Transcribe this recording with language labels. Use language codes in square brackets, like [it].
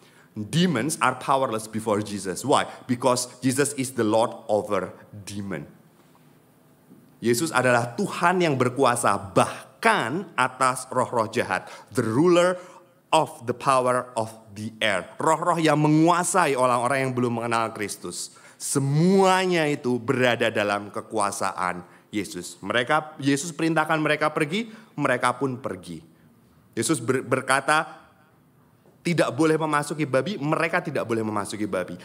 [en] Demons are powerless before Jesus. Why? Because Jesus is the Lord over demon. [id] Yesus adalah Tuhan yang berkuasa bahkan atas roh-roh jahat. [en] The ruler of the power of the air. [id] Roh-roh yang menguasai orang-orang yang belum mengenal Kristus. Semuanya itu berada dalam kekuasaan Yesus. Mereka, Yesus perintahkan mereka pergi, mereka pun pergi. Yesus berkata, tidak boleh memasuki babi, mereka tidak boleh memasuki babi.